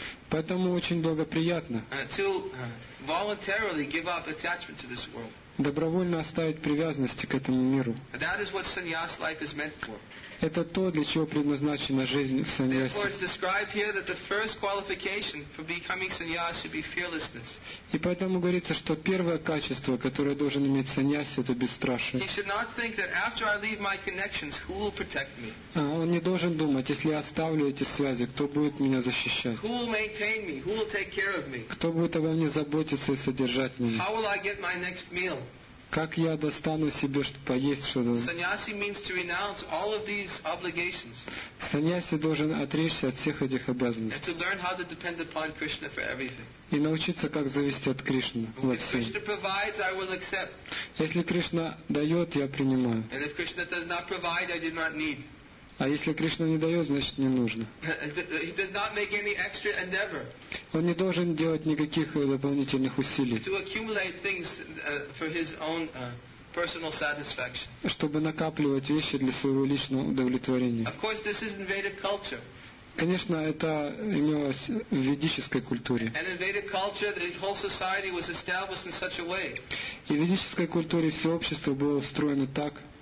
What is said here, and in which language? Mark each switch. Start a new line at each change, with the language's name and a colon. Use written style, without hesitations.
Russian: Поэтому очень благоприятно
English: to voluntarily give up attachment to this world.
Russian: Добровольно оставить привязанности к этому миру.
English: That is what sannyas life is meant for.
Russian: Это то, для чего предназначена жизнь в саньясе.
English: Therefore, it's described here that the first qualification for becoming sannyas should be fearlessness.
Russian: И поэтому говорится, что первое качество, которое должен иметь саньяси, это бесстрашие.
English: He should not think that after I leave my connections, who will protect me?
Russian: Он не должен думать, если я оставлю эти связи, кто будет меня защищать?
English: Who will maintain me? Who will take care of me?
Russian: Кто будет обо мне заботиться и содержать меня?
English: How will I get my next meal?
Russian: Как я достану себе, чтобы поесть что-то?
English: Саньяси means to renounce all of these obligations.
Russian: Саньяси должен отречься от всех этих обязанностей.
English: And to learn how to depend upon Krishna for everything.
Russian: И научиться, как зависеть от Кришны во всем.
English: If Krishna provides, I will accept.
Russian: Если Кришна дает, я принимаю.
English: And if Krishna does not provide, I do not need.
Russian: А если Кришна не дает, значит, не нужно.
English: He does not make any extra endeavor.
Russian: Он не должен делать никаких дополнительных усилий,
English: to accumulate things for his own personal satisfaction.
Russian: Чтобы накапливать вещи для своего личного удовлетворения.
English: Of course, this is in Vedic culture.
Russian: Конечно, это имелось в ведической культуре.
English: And in Vedic culture, the whole society was established in such a way.
Russian: И в ведической культуре все общество было устроено так,